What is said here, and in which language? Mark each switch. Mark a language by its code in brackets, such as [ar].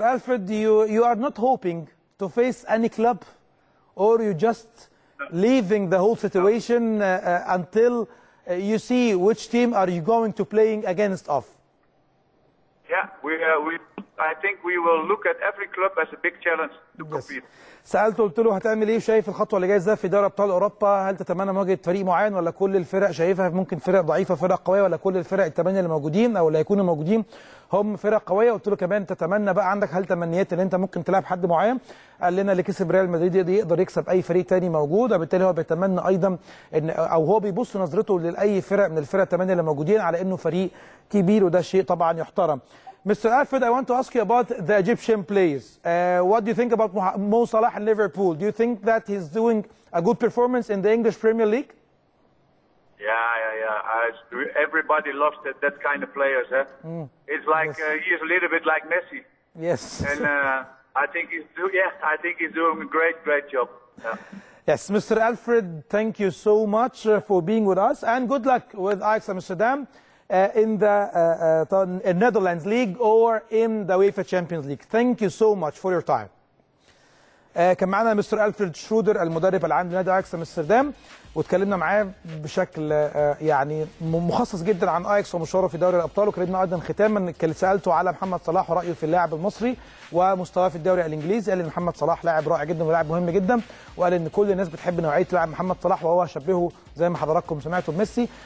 [en] Alfred, you are not hoping to face any club, or you just leaving the whole situation until you see which team are you going to playing against off? Yeah, I think we will look at every club as a big challenge to compete. [ar] سألته قلت له هتعمل ايه وشايف الخطوه اللي جايه ازاي في دوري ابطال اوروبا؟ هل تتمنى مواجهه فريق معين ولا كل الفرق شايفها ممكن فرق ضعيفه فرق قويه ولا كل الفرق الثمانيه اللي موجودين او اللي هيكونوا موجودين هم فرق قويه؟ قلت له كمان تتمنى بقى عندك هل تمنيات ان انت ممكن تلعب حد معين؟ قال لنا اللي كسب ريال مدريد يقدر يكسب اي فريق ثاني موجود، وبالتالي هو بيتمنى ايضا ان او هو بيبص نظرته لاي فرق من الفرق الثمانيه اللي موجودين على انه فريق كبير وده شيء طبعا يحترم. [en] Mr. Alfred, I want to ask you about the Egyptian players. What do you think about Mo Salah and Liverpool? Do you think that he's doing a good performance in the English Premier League? Yeah. Everybody loves that kind of players. It's like he's a little bit like Messi. Yes. And I think he's doing a great job. Yeah. Yes, Mr. Alfred, thank you so much for being with us. And good luck with Ajax Amsterdam. In the Netherlands League or in the UEFA Champions League. Thank you so much for your time. [ar] كان معنا مستر ألفريد شرودر المدرب العام لنادي اياكس امستردام، واتكلمنا معاه بشكل يعني مخصص جدا عن اياكس ومشواره في دوري الابطال، واتكلمنا ايضا ختاما سالته على محمد صلاح ورايه في اللاعب المصري ومستواه في الدوري الانجليزي. قال ان محمد صلاح لاعب رائع جدا ولاعب مهم جدا، وقال ان كل الناس بتحب نوعيه لاعب محمد صلاح وهو شبهه زي ما حضراتكم سمعتوا بميسي.